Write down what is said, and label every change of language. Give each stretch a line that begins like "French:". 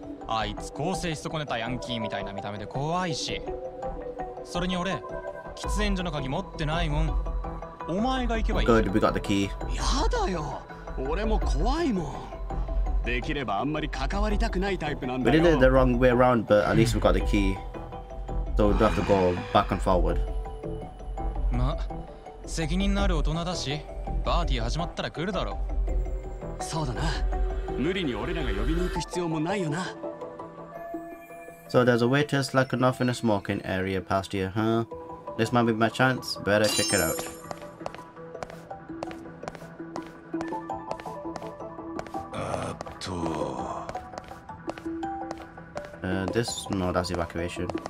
Japanese: あいつ構成し損ねたヤンキーみたいな見た目で怖いし。それに俺。喫煙所の鍵持ってないもん。お前が行けばいい。
English: Good, we got the key.
Japanese: やだよ。俺も怖いもん。できればあんまり関わりたくないタイプなんだよ。
English: We did it the wrong way around, but at least we got the key. So we don't have to go back and forward.
Japanese: ま、責任のある大人だし、パーティー始まったら来るだろう。そうだな。無理に俺らが呼びに行く必要もないよな。
English: So there's a waiter slacking off in a smoking area past here, huh? This might be my chance, better check it out. This, no, that's evacuation.